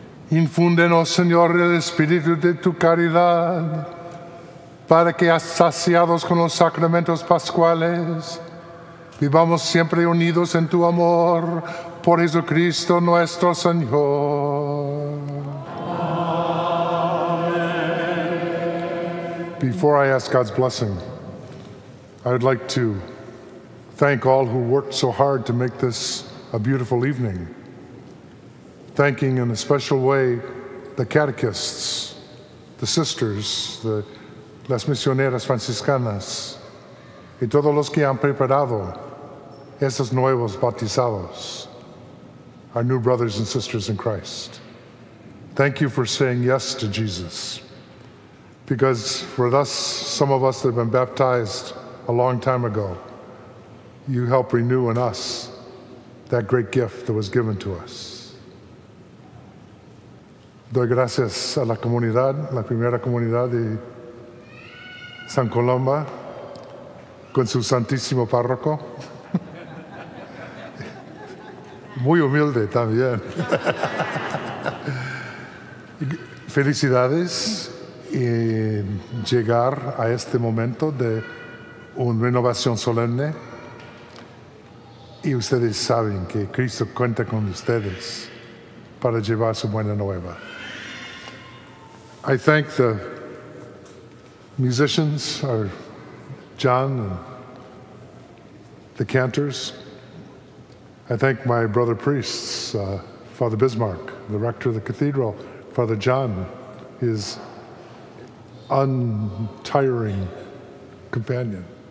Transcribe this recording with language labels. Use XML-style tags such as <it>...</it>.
<es>Infúndenos, Señor, el espíritu de tu caridad, para que, saciados con los sacramentos pascuales, vivamos siempre unidos en tu amor por Jesucristo nuestro Señor. Amen.</es> <en>Before I ask God's blessing, I would like to thank all who worked so hard to make this a beautiful evening. thanking in a special way the catechists, the sisters, the</en> <es>las misioneras franciscanas, y todos los que han preparado esos nuevos bautizados,</es> <en>our new brothers and sisters in Christ. Thank you for saying yes to Jesus, because for us, some of us that have been baptized a long time ago, you help renew in us that great gift that was given to us.</en> <es>Doy gracias a la comunidad, la primera comunidad de San Colomba, con su santísimo párroco. Muy humilde también. Felicidades en llegar a este momento de una renovación solemne. Y ustedes saben que Cristo cuenta con ustedes para llevar su buena nueva.</es> <en>I thank the musicians, our John and the cantors. I thank my brother priests, Father Bismarck, the rector of the cathedral, Father John, his untiring companion.</en>